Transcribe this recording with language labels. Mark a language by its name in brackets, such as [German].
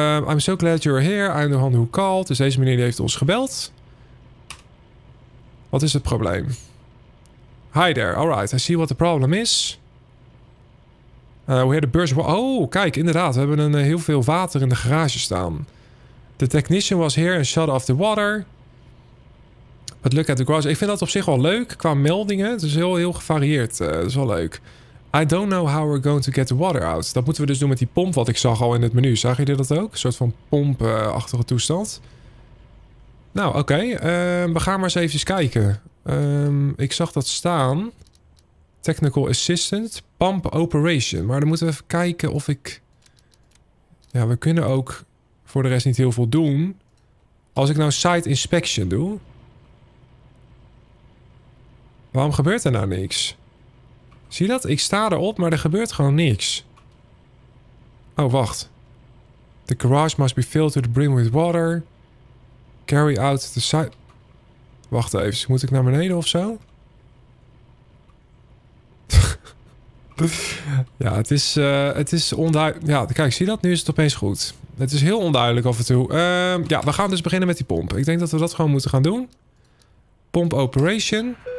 [English] I'm so glad you're here. I'm the one who called. [Dutch] Dus deze meneer heeft ons gebeld. Wat is het probleem? [English] Hi there. Alright, I see what the problem is. We had a burst. [Dutch] Oh, kijk, inderdaad. We hebben heel veel water in de garage staan. [English] The technician was here and shut off the water. But look at the garage. [Dutch] Ik vind dat op zich wel leuk qua meldingen. Het is heel gevarieerd. Het is wel leuk. [English] I don't know how we're going to get the water out. [Dutch] Dat moeten we dus doen met die pomp wat ik zag al in het menu. Zag je dat ook? Een soort van pompachtige toestand. Nou, oké. We gaan maar eens even kijken. Ik zag dat staan. [English] Technical assistant. Pump operation. [Dutch] Maar dan moeten we even kijken of ik... Ja, we kunnen ook voor de rest niet heel veel doen. Als ik nou site inspection doe. Waarom gebeurt er nou niks? Zie je dat? Ik sta erop, maar er gebeurt gewoon niks. Oh, wacht. [English] The garage must be filled to the brim with water. Carry out the site... [Dutch] Wacht even, moet ik naar beneden of zo? Ja, het is onduidelijk. Ja, kijk, zie je dat? Nu is het opeens goed. Het is heel onduidelijk af en toe. Ja, we gaan dus beginnen met die pomp. Ik denk dat we dat gewoon moeten gaan doen. Pomp operation.